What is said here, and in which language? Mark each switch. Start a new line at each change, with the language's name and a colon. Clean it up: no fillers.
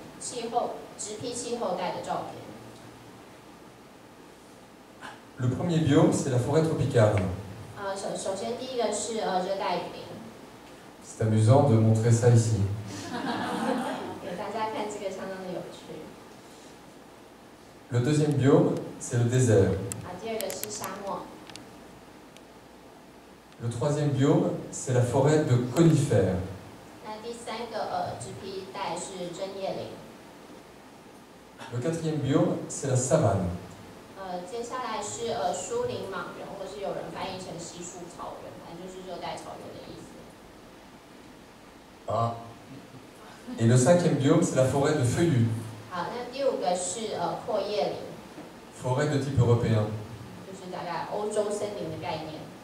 Chinese: 6个生态系统的照片，就是6个气候，直批气候带的照片。
French: Le premier biome, c'est la forêt tropicale.
Chinese: 首先第一个是热带雨林。
French: C'est amusant de montrer ça ici.
Chinese: 给大家看这个相当的有趣。
French: Le deuxième biome, c'est le désert.
Chinese: 第二个是沙漠。
French: Le troisième biome, c'est la forêt de conifères.
Chinese: 那第三个植被带是针叶林。
French: Le quatrième biome, c'est la savane.
Chinese: 接下来是树林莽原，或是有人翻译成稀疏草原，反正就是热带草原的意思。 Ah.
French: Et le cinquième biome, c'est la forêt de feuillus.
Chinese: 好，那第五个是阔叶林。
French: Forêt de type européen.
Chinese: 就是大概欧洲森林的概念。